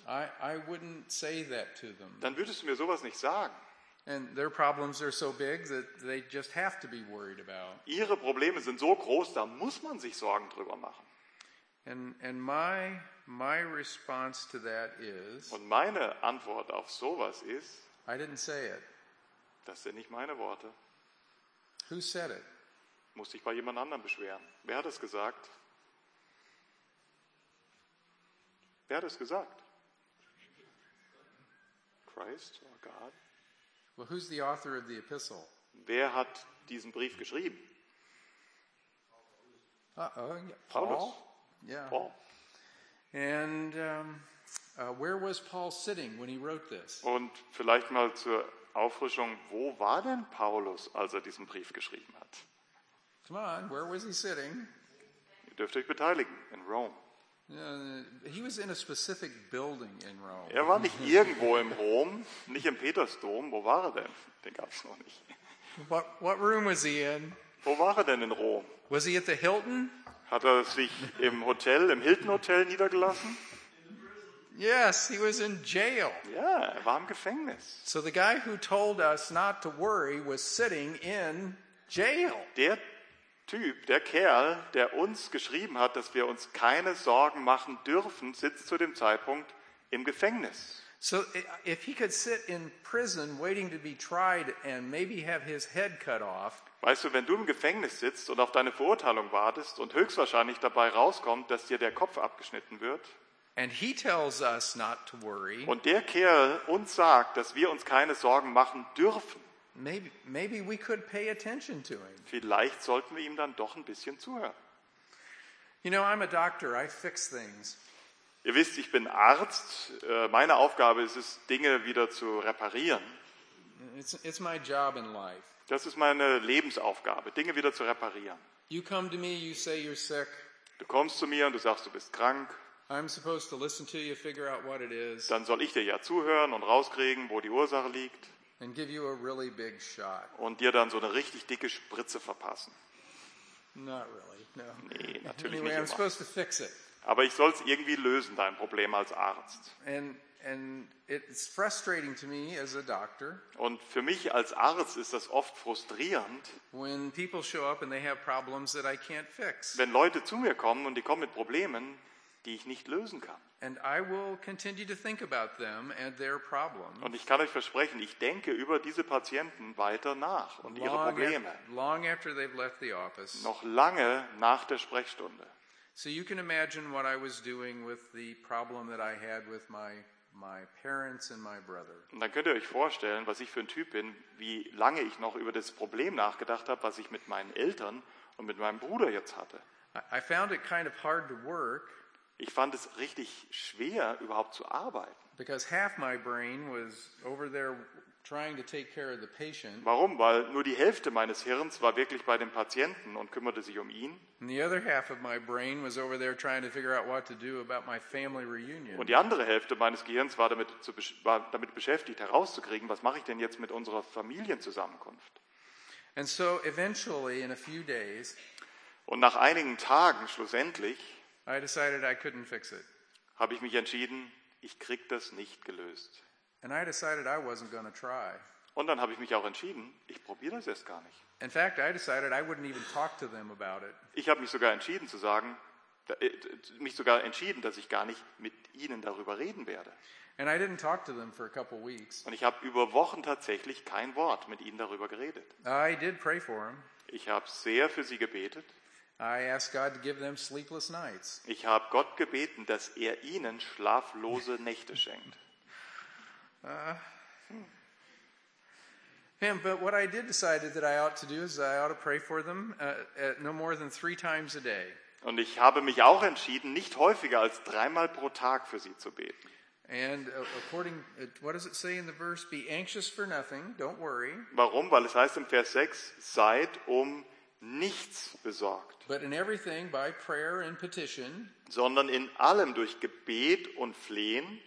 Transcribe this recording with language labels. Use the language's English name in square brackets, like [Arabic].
[English] I wouldn't say that to them. [German] Dann würdest du mir sowas nicht sagen. [English] And their problems are so big that they just have to be worried about. [German] Ihre Probleme sind so groß, da muss man sich Sorgen drüber machen. [English] And my response to that is, [German] und meine Antwort auf sowas ist, [English] I didn't say it. [German] Das sind nicht meine Worte. [English] Who said it? [German] Muss ich bei jemand anderem beschweren. Wer hat es gesagt? Wer hat es gesagt? [English] Christ or God? Well, who's the author of the epistle? [German] Wer hat diesen Brief geschrieben? [English] Paul. And where was Paul sitting when he wrote this? [German] Und vielleicht mal zur Auffrischung, wo war denn Paulus, als er diesen Brief geschrieben hat? [English] Come on, where was he sitting? [German] Ihr dürft euch beteiligen, [English] in Rome. He was in a specific building in Rome. [German] Er war nicht irgendwo im Rom, nicht im Petersdom. Wo war er denn? Den gab es noch nicht. [English] What room was he in? [German] Wo war er denn in Rom? [English] Was he at the Hilton? [German] Hat er sich im Hotel, im Hilton Hotel niedergelassen? [English] Yes, he was in jail. [German] Ja, er war im Gefängnis. [English] So the guy who told us not to worry was sitting in jail. [German] Der Typ, der Kerl, der uns geschrieben hat, dass wir uns keine Sorgen machen dürfen, sitzt zu dem Zeitpunkt im Gefängnis. [English] So if he could sit in prison waiting to be tried and maybe have his head cut off. [German] Weißt du, wenn du im Gefängnis sitzt und auf deine Verurteilung wartest und höchstwahrscheinlich dabei rauskommt, dass dir der Kopf abgeschnitten wird. [English] And he tells us not to worry. [German] Und der Kerl uns sagt, dass wir uns keine Sorgen machen dürfen. [English] Maybe we could pay attention to him. [German] Vielleicht sollten wir ihm dann doch ein bisschen zuhören. [English] You know, I'm a doctor, I fix things. [German] Ihr wisst, ich bin Arzt. Meine Aufgabe ist es, Dinge wieder zu reparieren. [English] It's my job in life. [German] Das ist meine Lebensaufgabe, Dinge wieder zu reparieren. [English] You come to me, you say you're sick. [German] Du kommst zu mir und du sagst, du bist krank. [English] I'm supposed to listen to you, figure out what it is. [German] Dann soll ich dir ja zuhören und rauskriegen, wo die Ursache liegt. [English] And give you a really big shot. [German] Und dir dann so eine richtig dicke Spritze verpassen. [English] Not really, no. [German] Nee, natürlich [English] anyway, [German] nicht [English] I'm [German] immer. [English] Supposed to fix it. [German] Aber ich soll es irgendwie lösen, dein Problem als Arzt. [English] And it's frustrating to me as a doctor. [German] Und für mich als Arzt ist das oft frustrierend. [English] When people show up and they have problems that I can't fix. [German] Wenn Leute zu mir kommen und die kommen mit Problemen, die ich nicht lösen kann. [English] And I will continue to think about them and their problems. [German] Und ich kann euch versprechen, ich denke über diese Patienten weiter nach und ihre Probleme. [English] Long after they've left the office. [German] Noch lange nach der Sprechstunde. [English] So you can imagine what I was doing with the problem that I had with my parents and my brother. [German] Und dann könnt ihr euch vorstellen, was ich für ein Typ bin, wie lange ich noch über das Problem nachgedacht habe, was ich mit meinen Eltern und mit meinem Bruder jetzt hatte. [English] I found it kind of hard to work. [German] Ich fand es richtig schwer, überhaupt zu arbeiten. [English] Because half my brain was over there trying to take care of the patient. [German] Warum? Weil nur die Hälfte meines Hirns war wirklich bei dem Patienten und kümmerte sich um ihn. [English] And the other half of my brain was over there trying to figure out what to do about my family reunion. [German] Und die andere Hälfte meines Gehirns war damit beschäftigt, herauszukriegen, was mache ich denn jetzt mit unserer Familienzusammenkunft? [English] And so eventually in a few days. [German] Und nach einigen Tagen schlussendlich. [English] I decided I couldn't fix it. [German] Habe ich mich entschieden, ich krieg das nicht gelöst. [English] And I decided I wasn't gonna try. [German] Und dann habe ich mich auch entschieden, ich probiere das erst gar nicht. [English] In fact, I decided I wouldn't even talk to them about it. [German] Ich habe mich sogar entschieden zu sagen, mich sogar entschieden, dass ich gar nicht mit ihnen darüber reden werde. [English] And I didn't talk to them for a couple weeks. [German] Und ich habe über Wochen tatsächlich kein Wort mit ihnen darüber geredet. [English] I did pray for them. [German] Ich habe sehr für sie gebetet. [English] I asked God to give them sleepless nights. [German] Ich habe Gott gebeten, dass er ihnen schlaflose Nächte schenkt. [English] But what I did decide that I ought to do is I ought to pray for them no more than 3 times a day. [German] Und ich habe mich auch entschieden, nicht häufiger als 3 Mal pro Tag für sie zu beten. [English] And according, what does it say in the verse? Be anxious for nothing, don't worry. [German] Warum? Weil es heißt im Vers 6, seid um nichts besorgt. [English] But in everything by prayer and petition, [German] sondern in allem durch Gebet und Flehen